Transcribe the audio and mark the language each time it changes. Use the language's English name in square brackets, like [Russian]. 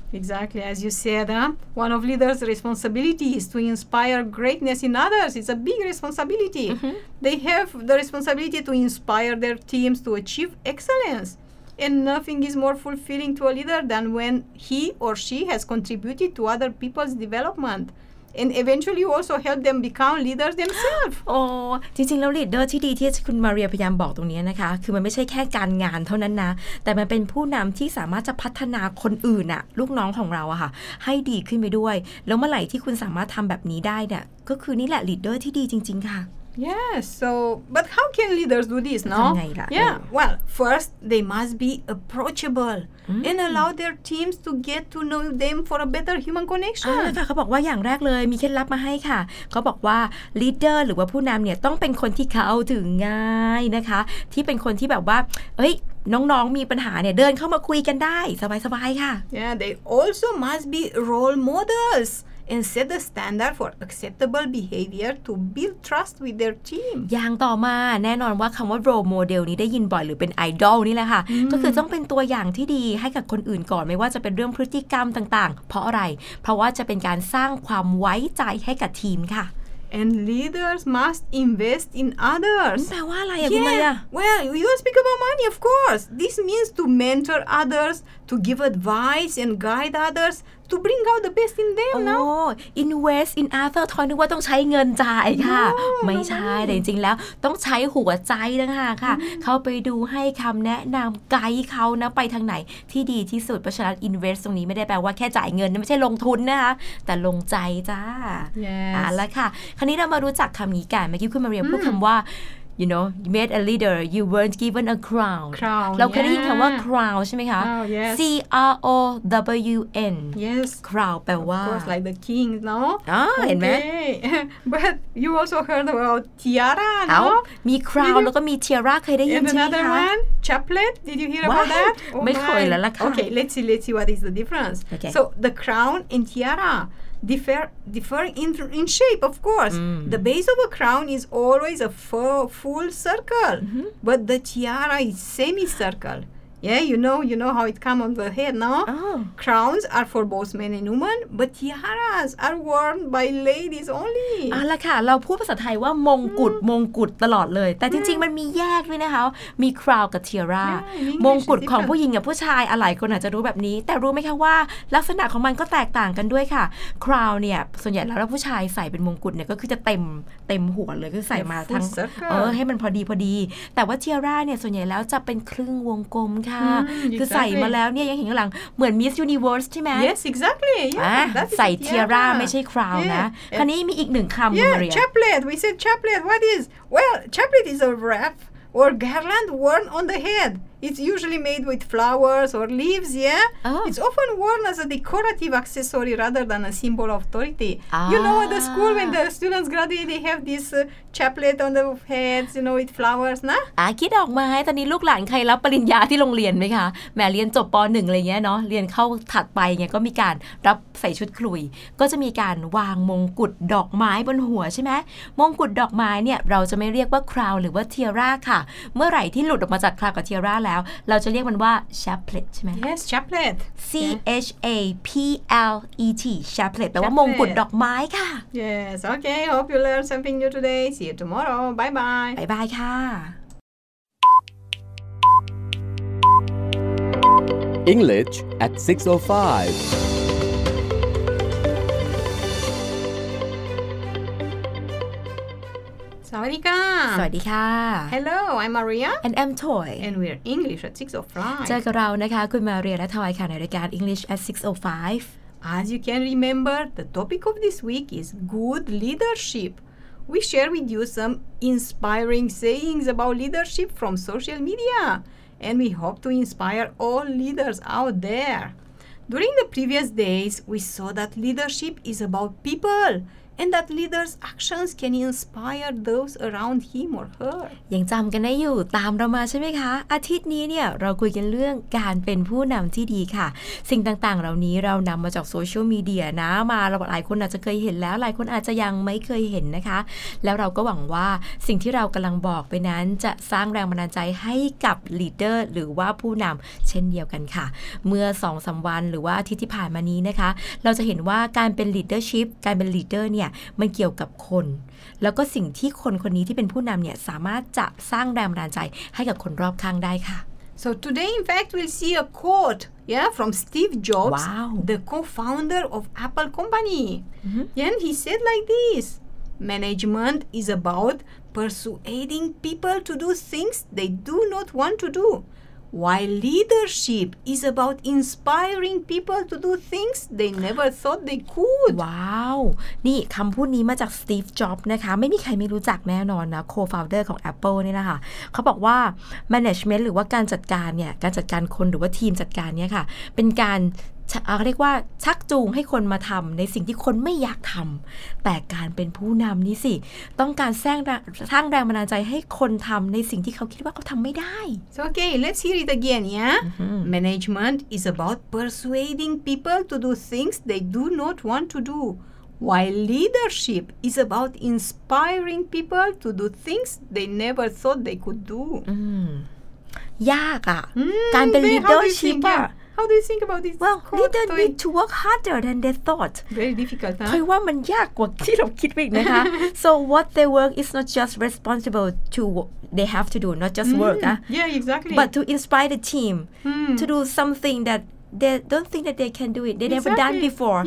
[English] exactly as you said one of leaders responsibility is to inspire greatness in others it's a big responsibility mm-hmm. they have the responsibility to inspire their teams to achieve excellenceAnd nothing is more fulfilling to a leader than when he or she has contributed to other people's development. And eventually you also help them become leaders themselves. [Thai] Oh, จริงๆแล้ว leader ที่ดีที่คุณมาเรียพยายามบอกตรงนี้นะคะคือมันไม่ใช่แค่การงานเท่านั้นนะแต่มันเป็นผู้นำที่สามารถจะพัฒนาคนอื่นอะลูกน้องของเราอะค่ะให้ดีขึ้นไปด้วยแล้วเมื่อไหร่ที่คุณสามารถทำแบบนี้ได้เนี่ยก็คือนี่แหละ leader ที่ดีจริงๆค่ะ [English] Yes, so, but how can leaders do this, no? Yeah, well, first, they must be approachable mm-hmm. and allow their teams to get to know them for a better human connection. [Thai] ค่ะเขาบอกว่าอย่างแรกเลยมีเคล็ดลับมาให้ค่ะเขาบอกว่า leader หรือว่าผู้นำเนี่ยต้องเป็นคนที่เข้าถึงง่ายนะคะที่เป็นคนที่แบบว่าเอ้ยน้องๆมีปัญหาเนี่ยเดินเข้ามาคุยกันได้สบายๆค่ะ [English] Yeah, they also must be role models. And set the standard for acceptable behavior to build trust with their team. [Thai] อย่างต่อมาแน่นอนว่าคำว่า role model นี้ได้ยินบ่อยหรือเป็น idol นี่แหละค่ะ mm. ก็คือต้องเป็นตัวอย่างที่ดีให้กับคนอื่นก่อนไม่ว่าจะเป็นเรื่องพฤติกรรมต่างๆเพราะอะไรเพราะว่าจะเป็นการสร้างความไว้ใจให้กับทีมค่ะ [English] And leaders must invest in others. [Thai] แปลว่าอะไรอ่ะคุณมาเรีย [English] Well, you speak about money, of course. This means to mentor others, to give advice and guide others. To bring out the best in them, oh, no? Invest in others. [Thai] ทอยนึกว่าต้องใช้เงินจ่ายค่ะไม่ใช่แต่จริงๆแล้วต้องใช้หัวใจนะคะค่ะเข้าไปดูให้คำแนะนำไกด์เขานะไปทางไหนที่ดีที่สุดเพราะฉะนั้น invest ตรงนี้ไม่ได้แปลว่าแค่จ่ายเงินไม่ใช่ลงทุนนะคะแต่ลงใจจ้า [English] yes. [Thai] อ่ะแล้วค่ะคราวนี้เรามารู้จักคำนี้กันเมื่อกี้คุณมาเรียมพูดคำว่า [English] You know, you made a leader, you weren't given a crown. Crown, [Thai] เราเคยได้ยินคำว่า crown ใช่ไหมคะ [English] Oh, yes. C-R-O-W-N. Yes. [Thai] Crown, แปลว่า [English] Of course, like the king, no? [Thai] Okay. เห็นไหม [English] But you also heard about tiara, no? [Thai] มี crown แล้วก็มี tiara เคยได้ยินใช่ไหมคะ [English] And another one, chaplet. Did you hear about that? [Thai] Oh, ไม่เคยแล้วล่ะค่ะ [English] Okay, let's see what is the difference. Okay. So, the crown and tiara. Differ in shape, of course. Mm. The base of a crown is always a full circle, mm-hmm. but the tiara is semicircle. Yeah, you know how it comes on the head, no? Oh. Crowns are for both men and women, but tiaras are worn by ladies only. [Thai] อ่ะล่ะค่ะเราพูดภาษาไทยว่ามงกุฎมงกุฎตลอดเลยแต่จริงๆมันมีแยกด้วยนะคะมี crown กับ tiara มงกุฎของผู้หญิงกับผู้ชายหลายคนอาจจะรู้แบบนี้แต่รู้ไหมคะว่าลักษณะของมันก็แตกต่างกันด้วยค่ะ crown เนี่ยส่วนใหญ่แล้วผู้ชายใส่เป็นมงกุฎเนี่ยก็คือจะเต็มหัวเลยก็ใส่มาทั้งให้มันพอดีแต่ว่า tiara เนี่ยส่วนใหญ่แล้วจะเป็นครึ่งวงกลมค่ะคือใส่มาแล้วเนี่ยยังเห็นข้างหลังเหมือน Miss Universe ใช่ไหม [English] Yes exactly yeah [Thai] ใส่ tiara ไม่ใช่ crown นะคราวนี้มีอีกหนึ่งคำ [English] Maria chaplet we said chaplet what is well chaplet is a wrap or garland worn on the head it's usually made with flowers or leaves yeah it's often worn as a decorative accessory rather than a symbol of authority you know at the school when the students graduate they have this chaplet on the heads you know with flowers นะ [Thai] คิดออกมาให้ตอนนี้ลูกหลานใครรับปริญญาที่โรงเรียนไหมคะแม่เรียนจบป.1อะไรเงี้ยเนาะเรียนเข้าถัดไปเงี้ยก็มีการรับใส่ชุดคลุยก็จะมีการวางมงกุฎดอกไม้บนหัวใช่ไหมมงกุฎดอกไม้เนี่ยเราจะไม่เรียกว่า crown หรือว่า tiara ค่ะเมื่อไหร่ที่หลุดออกมาจาก crown กับ tiara แล้วเราจะเรียกมันว่า chaplet ใช่ไหม [English] Yes chaplet [Thai] C H A P L E T chaplet แปลว่ามงกุฎดอกไม้ค่ะ [English] Yes okay hope you learn something new today see you tomorrow bye bye bye bye ค่ะ English at 6:05 [Thai] สวัสดีค่ะ สวัสดีค่ะ [English] Hello I'm Maria and I'm Toy and we're English at 6:05 [Thai] เจอกับเรานะคะคุณมาเรียและทอยค่ะในรายการ English at 6:05 [English] As you can remember the topic of this week is good leadership We share with you some inspiring sayings about leadership from social media and we hope to inspire all leaders out there During the previous days we saw that leadership is about peopleAnd that leader's actions can inspire those around him or her. [Thai] ยังจำกันได้อยู่ตามเรามาใช่ไหมคะอาทิตย์นี้เนี่ยเราคุยกันเรื่องการเป็นผู้นำที่ดีค่ะสิ่งต่างๆเหล่านี้เรานำมาจากโซเชียลมีเดียนะมาหลายคนอาจจะเคยเห็นแล้วหลายคนอาจจะยังไม่เคยเห็นนะคะ แล้วเราก็หวังว่าสิ่งที่เรากำลังบอกไปนั้นจะสร้างแรงบันดาลใจให้กับ leader หรือว่าผู้นำเช่นเดียวกันค่ะเมื่อ2-3 วันหรือว่าอาทิตย์ที่ผ่านมานี้นะคะเราจะเห็นว่าการเป็น leadership การเป็น leader เนี่ยมันเกี่ยวกับคนแล้วก็สิ่งที่คนคนนี้ที่เป็นผู้นำเนี่ยสามารถจะสร้างแรงบันดาลใจให้กับคนรอบข้างได้ค่ะ [English] So today in fact we'll see a quote yeah from Steve Jobs wow. the co-founder of Apple company mm-hmm. and he said like this management is about persuading people to do things they do not want to do while leadership is about inspiring people to do things they never thought they could [Thai] ว้าวนี่คำพูดนี้มาจากสตีฟจ็อบส์นะคะไม่มีใครไม่รู้จักแน่นอนนะโคฟาวเดอร์ของ Apple นี่นะคะเขาบอกว่า management หรือว่าการจัดการเนี่ยการจัดการคนหรือว่าทีมจัดการเนี่ยค่ะเป็นการเรียกว่าชักจูงให้คนมาทำในสิ่งที่คนไม่อยากทำแต่การเป็นผู้นำนี่สิต้องการสร้างแรงบันดาลใจให้คนทำในสิ่งที่เขาคิดว่าเขาทำไม่ได้ [English] So okay let's hear it again yeah mm-hmm. Management is about persuading people to do things they do not want to do while leadership is about inspiring people to do things they never thought they could do [Thai] ยากอ่ะการเป็น leadership [English] How do you think about this? Well, leaders need to work harder than they thought. Very difficult, huh? [Thai] ถอยว่ามันยากกว่าที่เราคิดไปนะคะ [English] So what they work is not just responsible to they have to do, not just work. Yeah, exactly. But to inspire the team to do something that they don't think that they can do it. They never done before.